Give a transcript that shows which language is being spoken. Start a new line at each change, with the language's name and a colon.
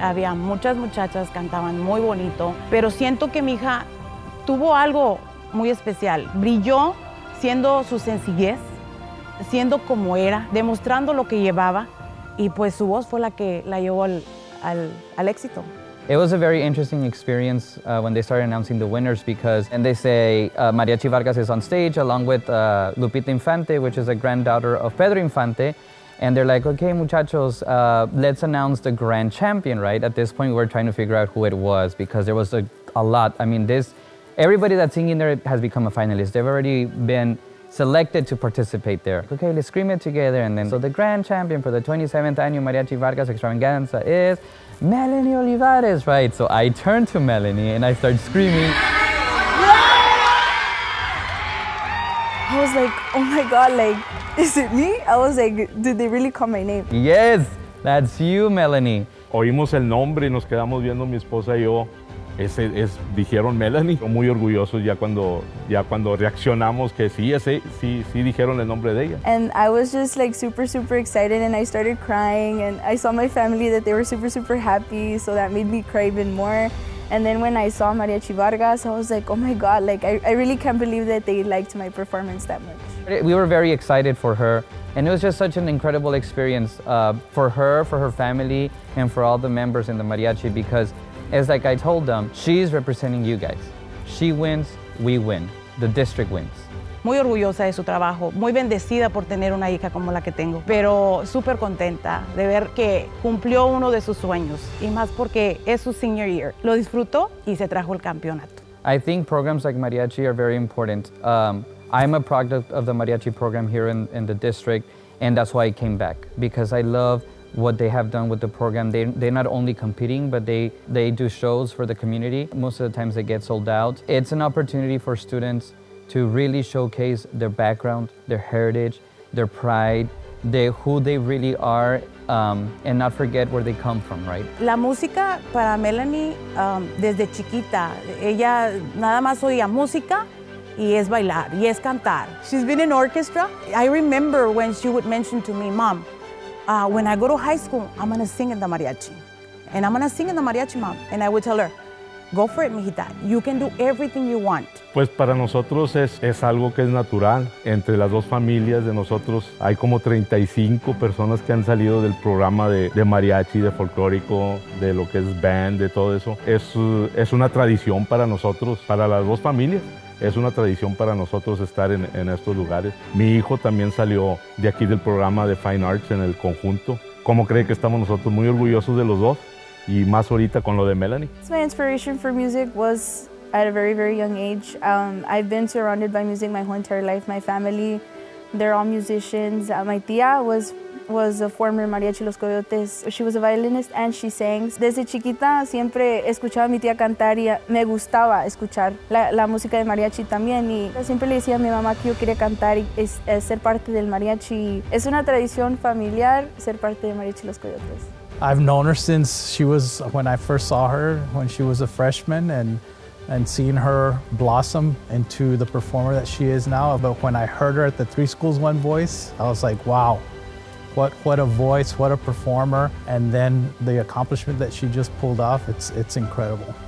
Spanish: Había muchas muchachas, cantaban muy bonito. Pero siento que mi hija tuvo algo muy especial. Brilló siendo su sencillez, siendo como era, demostrando lo que llevaba. Y pues su voz fue la que la llevó al éxito.
English: It was a very interesting experience when they started announcing the winners because, and they say, Mariachi Vargas is on stage along with Lupita Infante, which is a granddaughter of Pedro Infante. And they're like, okay, muchachos, let's announce the grand champion, right? At this point, we're trying to figure out who it was because there was a lot. I mean, everybody that's singing there has become a finalist. They've already been selected to participate there. Okay, let's scream it together. And then, so the grand champion for the 27th annual Mariachi Vargas Extravaganza is Melanie Olivares, right? So I turn to Melanie and I start screaming. I was like, oh my God, like, is it me? I was like, did they really call my name? Yes, that's you, Melanie.
Spanish: Oímos el nombre y nos quedamos viendo mi esposa y yo. Dijeron Melanie. Estoy muy orgullosos ya cuando reaccionamos que sí, sí dijeron el nombre de ella.
English: And I was just like super, super excited and I started crying and I saw my family that they were super, super happy, so that made me cry even more. And then when I saw Mariachi Vargas, I was like, oh my God, like I really can't believe that they liked my performance that much. We were very excited for her and it was just such an incredible experience for her, for her family, and for all the members in the mariachi because it's like I told them, she's representing you guys. She wins, we win. The district wins.
Spanish: Muy orgullosa de su trabajo, muy bendecida por tener una hija como la que tengo, pero súper contenta de ver que cumplió uno de sus sueños, y más porque es su
English: senior year.
Spanish: Lo disfrutó y se trajo el campeonato.
English: I think programs like Mariachi are very important. I'm a product of the Mariachi program here in the district, and that's why I came back, because I love what they have done with the program. They're not only competing, but they do shows for the community. Most of the times they get sold out. It's an opportunity for students to really showcase their background, their heritage, their pride, who they really are, and not forget where they come from, right?
Spanish: La música para Melanie, desde chiquita, ella nada más oía música, y es bailar, y es cantar.
English: She's been in orchestra. I remember when she would mention to me, Mom, when I go to high school, I'm gonna sing in the mariachi. And I'm gonna sing in the mariachi, Mom. And I would tell her, go for it, mijita. You can do everything you want.
Spanish: Pues para nosotros es algo que es natural. Entre las dos familias de nosotros, hay como 35 personas que han salido del programa de mariachi, de folclórico, de lo que es band, de todo eso. Es una tradición para nosotros, para las dos familias. Es una tradición para nosotros estar en estos lugares. Mi hijo también salió de aquí del programa de Fine Arts en el conjunto. ¿Cómo cree que estamos nosotros? Muy orgullosos de los dos y más ahorita con lo de Melanie.
English: My inspiration for music was at a very, very young age. I've been surrounded by music my whole entire life. My family, they're all musicians. My tía was a former mariachi Los Coyotes. She was a violinist and she sang.
Spanish: Desde chiquita siempre escuchaba a mi tía cantar y me gustaba escuchar la música de mariachi también. Y siempre le decía a mi mamá que yo quería cantar y ser parte del mariachi. Es una tradición familiar ser parte de mariachi Los Coyotes.
English: I've known her since she was, when I first saw her, when she was a freshman, and and seeing her blossom into the performer that she is now. But when I heard her at the Three Schools One Voice, I was like, wow, what a voice, what a performer. And then the accomplishment that she just pulled off, it's incredible.